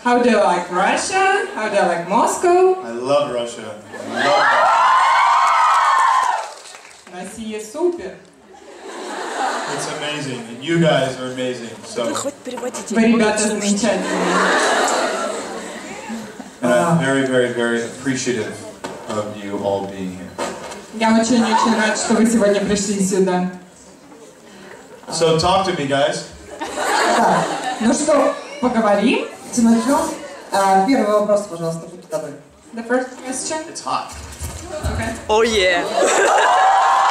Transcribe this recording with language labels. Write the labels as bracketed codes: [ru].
[en] How do you like Russia? How do you like Moscow? I love Russia. [ru] Россия супер. [en] It's amazing. And you guys are amazing. So. [ru] Вы хоть переводите. Вы ребята замечательные. [en] And I'm very, very, very appreciative of you all being here. [ru] Я очень-очень рад, что вы сегодня пришли сюда. [en] So talk to me, guys. [ru] Ну что, поговорим? Начнем. Первый вопрос, пожалуйста, будьте добры. [en] The first question. It's hot. Okay. Oh yeah.